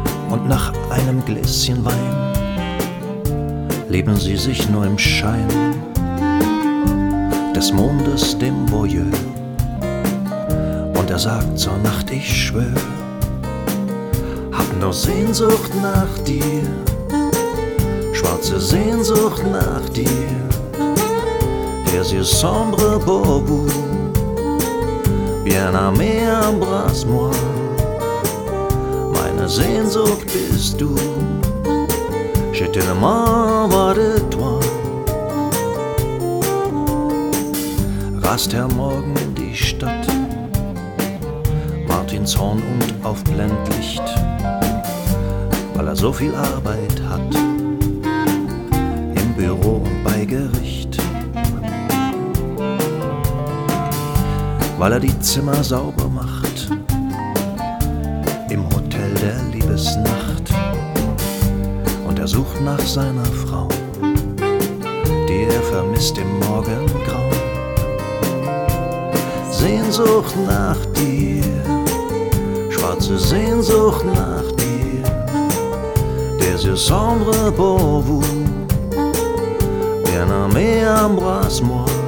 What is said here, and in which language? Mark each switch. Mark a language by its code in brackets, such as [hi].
[de] Und nach einem Gläschen Wein leben sie sich nur im Schein des Mondes, dem Voyeur. Und er sagt zur Nacht, ich schwör, hab nur Sehnsucht nach dir, schwarze Sehnsucht nach dir. [fr] Des yeux sombres pour vous, bien aimé, embrasse-moi. [de] Meine Sehnsucht bist du, [fr] je te demande de toi. [de] Rast der Morgen in die Stadt, Martinshorn und auf Blendlicht, weil er so viel Arbeit hat im Büro und bei Gericht. Weil er die Zimmer sauber macht im Hotel der Liebesnacht. Und er sucht nach seiner Frau, die er vermisst im Morgengrau. Sehnsucht nach dir, schwarze Sehnsucht nach dir. [fr] Des yeux sombres pour vous, bien aimé, embrasse-moi.